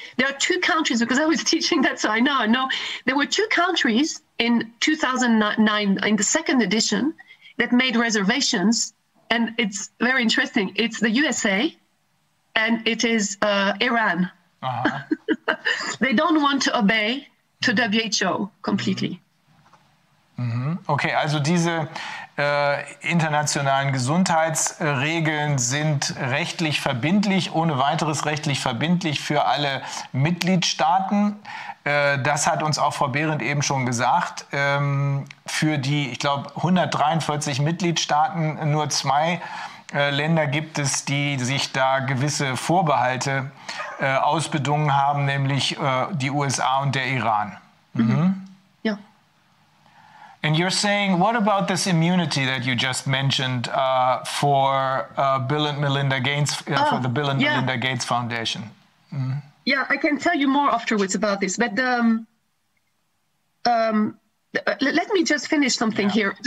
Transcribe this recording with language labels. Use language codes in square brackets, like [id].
[en] There are two countries, because I was teaching that, so I know. No, there were two countries in 2009, in the second edition, that made reservations. And it's very interesting. It's the USA and it is Iran. Uh-huh. They don't want to obey to WHO completely. Mm-hmm. [de] Okay, also diese internationalen Gesundheitsregeln sind rechtlich verbindlich, ohne weiteres rechtlich verbindlich für alle Mitgliedstaaten. Das hat uns auch Frau Behrendt eben schon gesagt. Für die, ich glaube, 143 Mitgliedstaaten nur zwei Länder gibt es, die sich da gewisse Vorbehalte ausbedungen haben, nämlich die USA und der Iran. Mhm. Ja. [en] And you're saying, what about this immunity that you just mentioned for Bill and Melinda Gates for the Bill and yeah. Melinda Gates Foundation? Mm-hmm. Yeah, I can tell you more afterwards about this, but let me just finish something yeah. here.